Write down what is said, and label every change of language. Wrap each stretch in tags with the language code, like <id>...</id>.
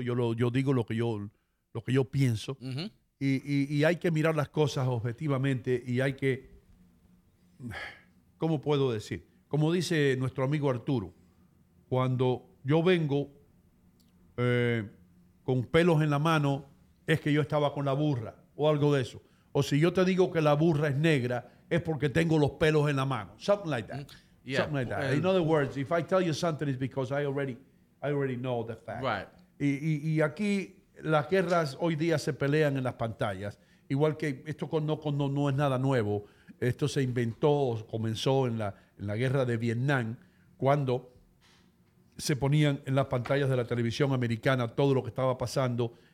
<es>Yo digo lo que yo pienso. Y hay que mirar las cosas objetivamente. Y hay que... ¿Cómo puedo decir? Como dice nuestro amigo Arturo, cuando yo vengo con pelos en la mano... es que yo estaba con la burra o algo de eso. O si yo te digo que la burra es negra, es porque tengo los pelos en la mano.</es> <en>Something like that. Yeah. Something like that. In other words, if I tell you something, it's because I already know the fact. Right.</en> <es>Y aquí las guerras hoy día se pelean en las pantallas. Igual que esto no es nada nuevo. Esto se inventó o comenzó en la guerra de Vietnam, cuando se ponían en las pantallas de la televisión americana todo lo que estaba pasando</es>